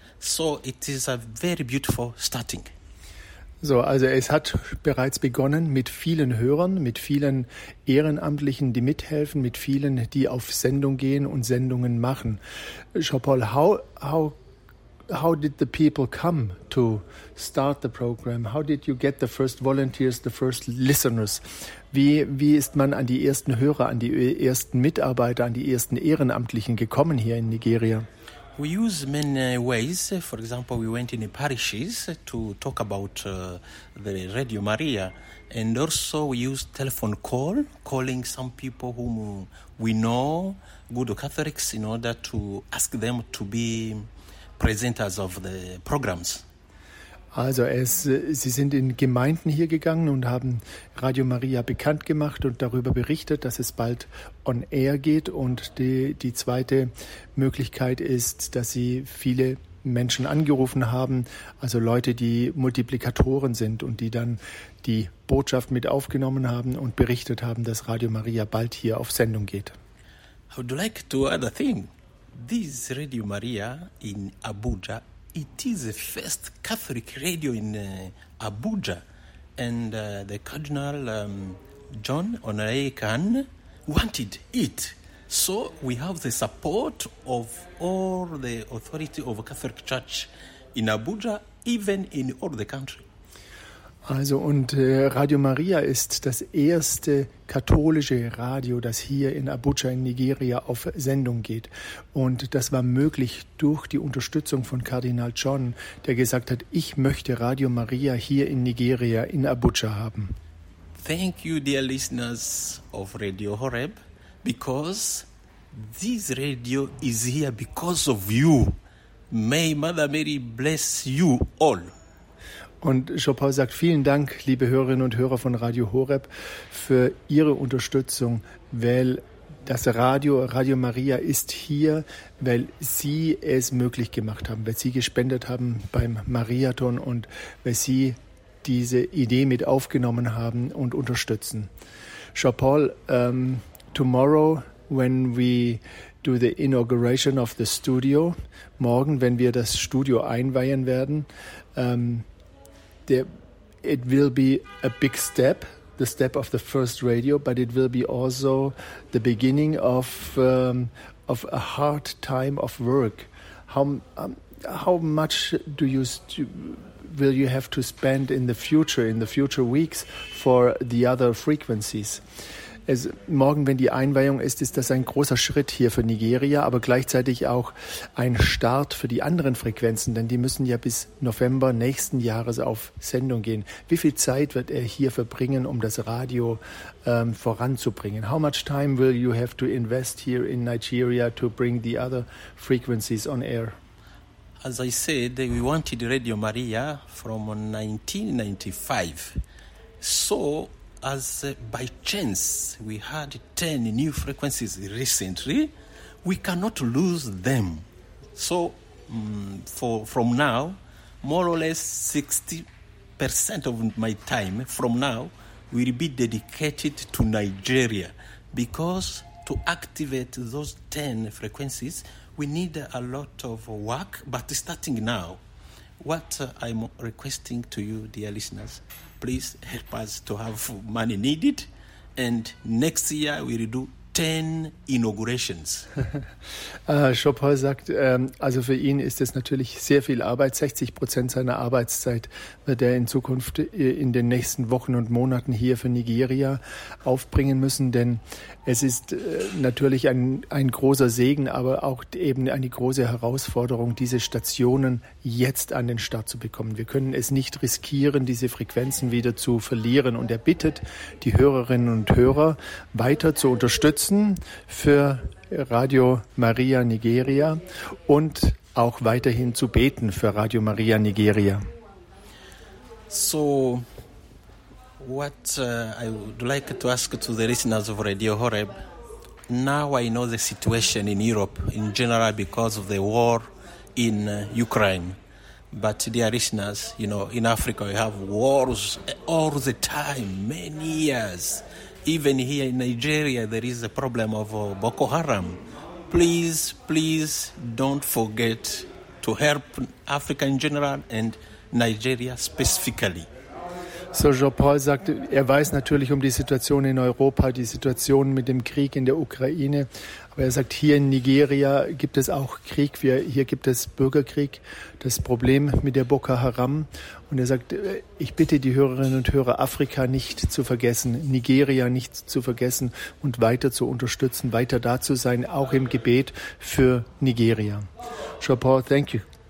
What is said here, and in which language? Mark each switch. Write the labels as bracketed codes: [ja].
[en] So it is a very beautiful starting. [de] So, also es hat bereits begonnen mit vielen Hörern, mit vielen Ehrenamtlichen, die mithelfen, mit vielen, die auf Sendung gehen und Sendungen machen. [en] Jean-Paul, how did the people come to start the program? How did you get the first volunteers, the first listeners? [de] Wie ist man an die ersten Hörer, an die ersten Mitarbeiter, an die ersten Ehrenamtlichen gekommen hier in Nigeria? [en] We use many ways. For example, we went in the parishes to talk about the Radio Maria. And also we use telephone call, calling some people whom we know, good Catholics, in order to ask them to be presenters of the programs. [de] Also Sie sind in Gemeinden hier gegangen und haben Radio Maria bekannt gemacht und darüber berichtet, dass es bald on air geht. Und die zweite Möglichkeit ist, dass Sie viele Menschen angerufen haben, also Leute, die Multiplikatoren sind und die dann die Botschaft mit aufgenommen haben und berichtet haben, dass Radio Maria bald hier auf Sendung geht. [en] I would like to add a thing. This Radio Maria in Abuja, it is the first Catholic radio in Abuja, and the Cardinal John Honoré Khan wanted it. So we have the support of all the authority of Catholic Church in Abuja, even in all the country. [de] Also, und Radio Maria ist das erste katholische Radio, das hier in Abuja in Nigeria auf Sendung geht. Und das war möglich durch die Unterstützung von Kardinal John, der gesagt hat, ich möchte Radio Maria hier in Nigeria, in Abuja haben. [en] Thank you, dear listeners of Radio Horeb, because this radio is here because of you. May Mother Mary bless you all. [de] Und Jean-Paul sagt, vielen Dank, liebe Hörerinnen und Hörer von Radio Horeb, für Ihre Unterstützung, weil das Radio, Radio Maria ist hier, weil Sie es möglich gemacht haben, weil Sie gespendet haben beim Mariathon und weil Sie diese Idee mit aufgenommen haben und unterstützen. [en] Jean-Paul, tomorrow when we do the inauguration of the studio, [de] morgen, wenn wir das Studio einweihen werden, [en] it will be a big step, the step of the first radio, but it will be also the beginning of a hard time of work. How much do you will you have to spend in the future weeks for the other frequencies? [de] Morgen, wenn die Einweihung ist, ist das ein großer Schritt hier für Nigeria, aber gleichzeitig auch ein Start für die anderen Frequenzen, denn die müssen ja bis November nächsten Jahres auf Sendung gehen. Wie viel Zeit wird er hier verbringen, um das Radio voranzubringen? [en] How much time will you have to invest here in Nigeria to bring the other frequencies on air? As I said, we wanted Radio Maria from 1995. So, as by chance we had 10 new frequencies recently, we cannot lose them. So from now, more or less 60% of my time from now will be dedicated to Nigeria, because to activate those 10 frequencies, we need a lot of work. But starting now, what I'm requesting to you, dear listeners, please help us to have money needed, and next year we will do 10 inaugurations. [de] Jean-Paul sagt, also für ihn ist es natürlich sehr viel Arbeit. 60% seiner Arbeitszeit wird er in Zukunft in den nächsten Wochen und Monaten hier für Nigeria aufbringen müssen, denn es ist natürlich ein großer Segen, aber auch eben eine große Herausforderung, diese Stationen jetzt an den Start zu bekommen. Wir können es nicht riskieren, diese Frequenzen wieder zu verlieren. Und er bittet die Hörerinnen und Hörer, weiter zu unterstützen für Radio Maria Nigeria und auch weiterhin zu beten für Radio Maria Nigeria. [en] So, what I would like to ask to the listeners of Radio Horeb, now I know the situation in Europe in general because of the war in Ukraine. But dear listeners, you know, in Africa we have wars all the time, many years. even here in Nigeria, there is a problem of Boko Haram. Please, please don't forget to help Africa in general and Nigeria specifically. [de] So Jean-Paul sagte, er weiß natürlich um die Situation in Europa, die Situation mit dem Krieg in der Ukraine. Aber er sagt, hier in Nigeria gibt es auch Krieg, hier gibt es Bürgerkrieg, das Problem mit der Boko Haram. Und er sagt, ich bitte die Hörerinnen und Hörer, Afrika nicht zu vergessen, Nigeria nicht zu vergessen und weiter zu unterstützen, weiter da zu sein, auch im Gebet für Nigeria. Jean-Paul, [en] thank you.